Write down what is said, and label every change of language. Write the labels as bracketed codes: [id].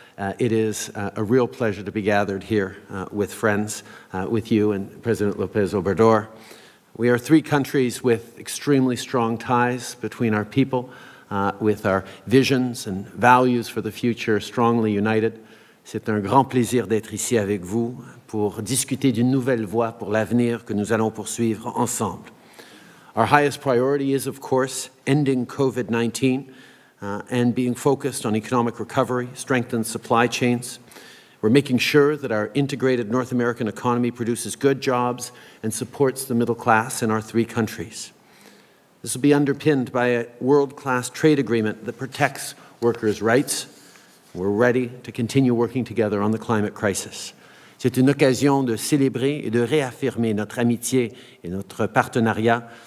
[en] It is a real pleasure to be gathered here with friends, with you and President López Obrador. We are three countries with extremely strong ties between our people, with our visions and values for the future strongly united. [fr] C'est un grand plaisir d'être ici avec vous pour discuter d'une nouvelle voie pour l'avenir que nous allons poursuivre ensemble. [en] Our highest priority is, of course, ending COVID-19 and being focused on economic recovery, strengthened supply chains. We're making sure that our integrated North American economy produces good jobs and supports the middle class in our three countries. This will be underpinned by a world-class trade agreement that protects workers' rights. We're ready to continue working together on the climate crisis. [fr] C'est une occasion de célébrer et de réaffirmer notre amitié et notre partenariat.